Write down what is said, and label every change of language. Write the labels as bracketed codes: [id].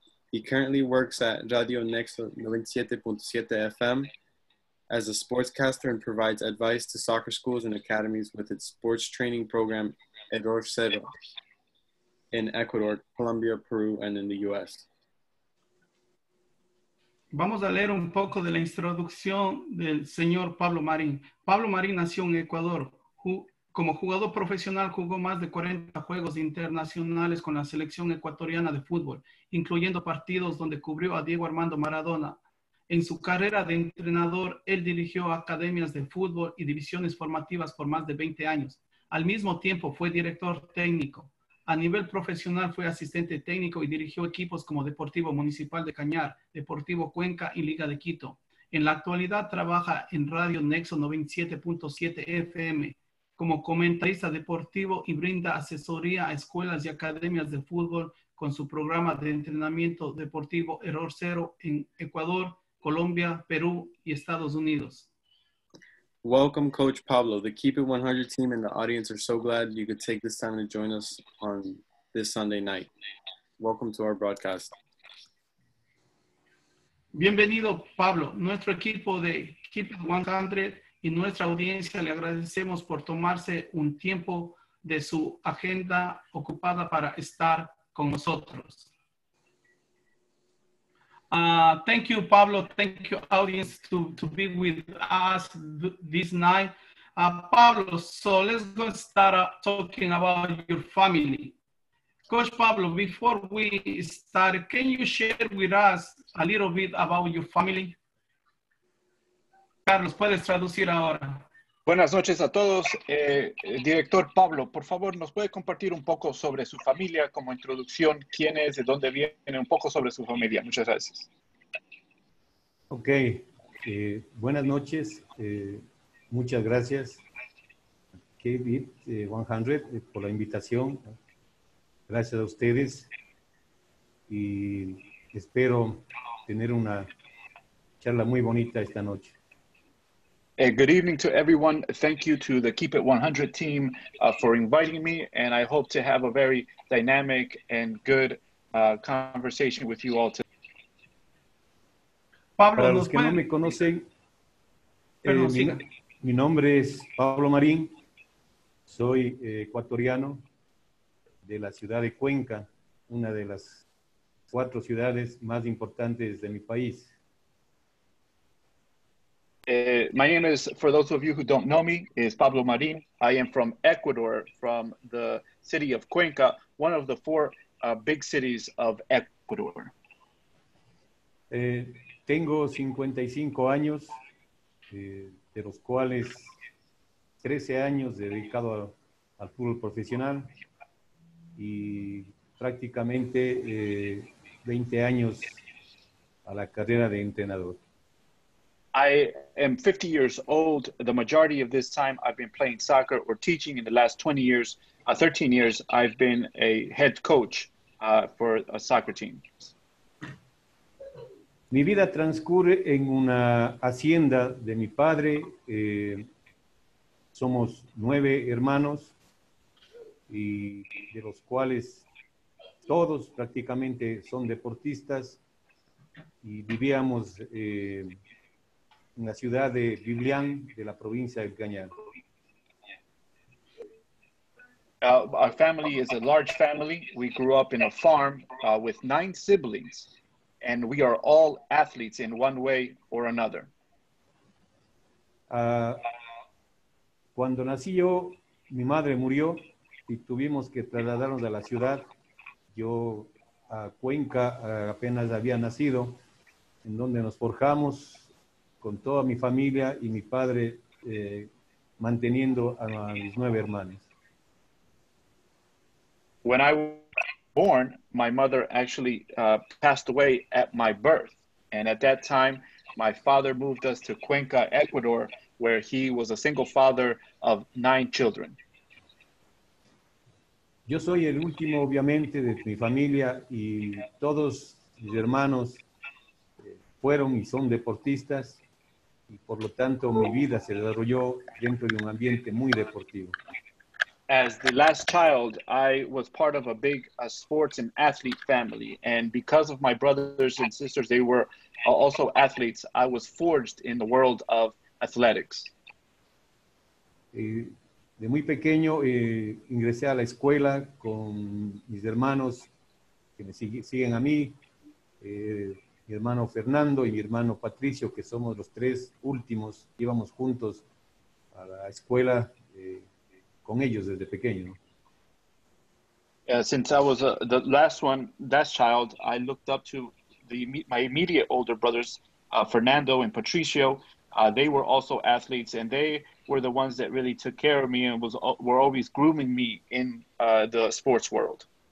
[en] He currently works at Radio Nexo 97.7 FM as a sportscaster and provides advice to soccer schools and academies with its sports training program, Edor Cero, in Ecuador, Colombia, Peru, and in the U.S. [es] Vamos a leer un poco de la introducción del señor Pablo Marín. Pablo Marín nació en Ecuador. Como jugador profesional, jugó más de 40 juegos internacionales con la selección ecuatoriana de fútbol, incluyendo partidos donde cubrió a Diego Armando Maradona. En su carrera de entrenador, él dirigió academias de fútbol y divisiones formativas por más de 20 años. Al mismo tiempo, fue director técnico. A nivel profesional fue asistente técnico y dirigió equipos como Deportivo Municipal de Cañar, Deportivo Cuenca y Liga de Quito. En la actualidad trabaja en Radio Nexo 97.7 FM como comentarista deportivo y brinda asesoría a escuelas y academias de fútbol con su programa de entrenamiento deportivo Error Cero en Ecuador Colombia, Peru, y Estados Unidos. [en] Welcome, Coach Pablo. The Keep It 100 team and the audience are so glad you could take this time to join us on this Sunday night. Welcome to our broadcast. [es] Bienvenido, Pablo. Nuestro equipo de Keep It 100 y nuestra audiencia le agradecemos por tomarse un tiempo de su agenda ocupada para estar con nosotros. [en] Thank you, Pablo. Thank you, audience, to be with us this night. Pablo, so let's go start talking about your family. Coach Pablo, before we start, can you share with us a little bit about your family? [es] Carlos, puedes traducir ahora. Buenas noches a todos. Director Pablo, por favor, ¿nos puede compartir un poco sobre su familia como introducción? ¿Quién es? ¿De dónde viene? Un poco sobre su familia. Muchas gracias. Ok. Buenas noches. Muchas gracias, Keep It 100, por la invitación. Gracias a ustedes. Y espero tener una charla muy bonita esta noche. [en] Good evening to everyone. Thank you to the Keep It 100 team for inviting me, and I hope to have a very dynamic and good conversation with you all today. [es] Pablo, para los que no me conocen, mi nombre es Pablo Marín. Soy ecuatoriano de la ciudad de Cuenca, una de las cuatro ciudades más importantes de mi país. [en] My name is, for those of you who don't know me, is Pablo Marín. I am from Ecuador, from the city of Cuenca, one of the four big cities of Ecuador. [es] Tengo 55 años, de los cuales 13 años dedicado al fútbol profesional y prácticamente 20 años a la carrera de entrenador. [en] I am 50 years old. The majority of this time I've been playing soccer or teaching. In the last 20 years, 13 years, I've been a head coach for a soccer team. [es] Mi vida transcurre en una hacienda de mi padre. Somos 9 hermanos, y de los cuales todos prácticamente son deportistas, y vivíamos en la ciudad de Biblián, de la provincia del Cañar. [en] Our family is a large family. We grew up in a farm with 9 siblings, and we are all athletes in one way or another. [es] Cuando nací yo, mi madre murió y tuvimos que trasladarnos a la ciudad. Yo a Cuenca apenas había nacido, en donde nos forjamos con toda mi familia y mi padre manteniendo a mis 9 hermanos. [en] When I was born, my mother actually passed away at my birth. And at that time, my father moved us to Cuenca, Ecuador, where he was a single father of 9 children. [es] Yo soy el último, obviamente, de mi familia, y todos mis hermanos fueron y son deportistas. Y por lo tanto, mi vida se desarrolló dentro de un ambiente muy deportivo. [en] As the last child, I was part of a big sports and athlete family. And because of my brothers and sisters, they were also athletes. I was forged in the world of athletics. [es] De muy pequeño, ingresé a la escuela con mis hermanos que me siguen a mí. Mi hermano Fernando y mi hermano Patricio, que somos los 3 últimos, íbamos juntos a la escuela con ellos desde pequeño. [en] Since I was the last child, I looked up to my immediate older brothers, Fernando and Patricio. They were also athletes, and they were the ones that really took care of me and were always grooming me in the sports world.